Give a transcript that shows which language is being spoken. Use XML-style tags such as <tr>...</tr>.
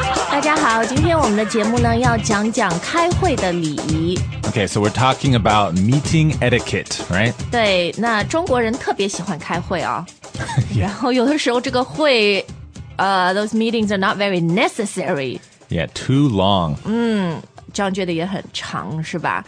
<zh>大家好，今天我们的节目呢要讲讲开会的礼仪。</zh> <en>Okay, so we're talking about meeting etiquette, right?</en> <zh>对，那中国人特别喜欢开会啊。然后有的时候这个会</zh> <en>those meetings are not very necessary. Yeah, too long.</en> <zh>嗯，这样觉得也很长，是吧？</zh>